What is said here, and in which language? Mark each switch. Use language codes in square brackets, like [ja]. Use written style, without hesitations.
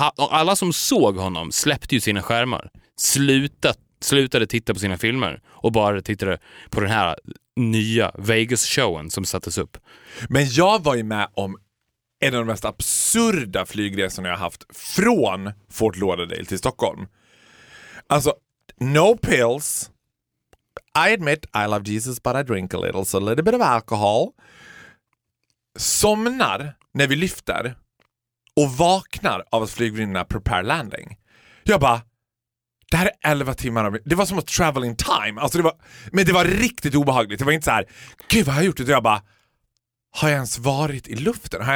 [sv] Alla som såg honom släppte ju sina skärmar, slutade titta på sina filmer och bara tittade på den här nya Vegas-showen som sattes upp. Men jag var ju med om en av de mest absurda flygresorna jag har haft, från Fort Lauderdale till Stockholm. Alltså, [en] no pills. I admit I love Jesus but I drink a little, so a little bit of alcohol. [sv] Somnar när vi lyfter och vaknar av att flygvärdinnorna [en] prepare landing. [sv] Jag bara, det här är 11 timmar. Det var som att [en] travel in time. [sv] Alltså det var, men det var riktigt obehagligt. Det var inte så här, gud vad har jag gjort? Det jag bara, har jag ens varit i luften?